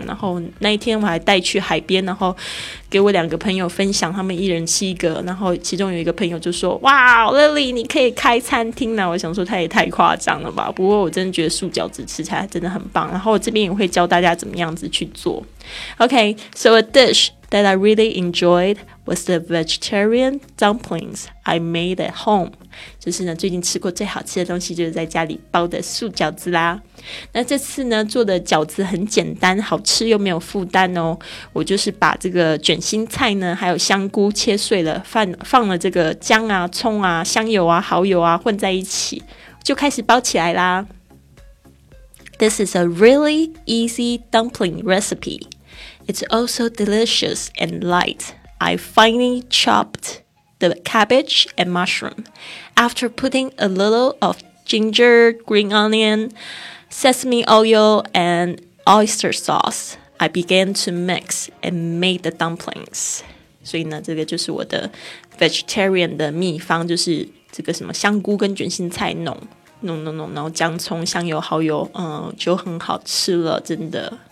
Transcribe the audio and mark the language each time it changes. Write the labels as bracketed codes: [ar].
[zh] 然后那一天我还带去海边，然后给我两个朋友分享，他们一人吃一个。然后其中有一个朋友就说，哇 Lily 你可以开餐厅了。我想说他也太夸张了吧，不过我真的觉得素饺子吃起来真的很棒。然后我这边也会教大家怎么样子去做。 [en] OK, so a dish that I really enjoyedwas the vegetarian dumplings I made at home. [zh] 就是呢最近吃过最好吃的东西就是在家里包的素饺子啦。那这次呢做的饺子很简单，好吃又没有负担哦。我就是把这个卷心菜呢还有香菇切碎了，放了这个姜啊、葱啊、香油啊、蚝油啊混在一起，就开始包起来啦。 [en] This is a really easy dumpling recipe. It's also delicious and lightI finely chopped the cabbage and mushroom. After putting a little of ginger, green onion, sesame oil, and oyster sauce, I began to mix and make the dumplings. [zh] 所以呢，这个就是我的 vegetarian 的秘方，就是这个什么香菇跟卷心菜弄，然后姜葱、香油、蚝油，就很好吃了，真的。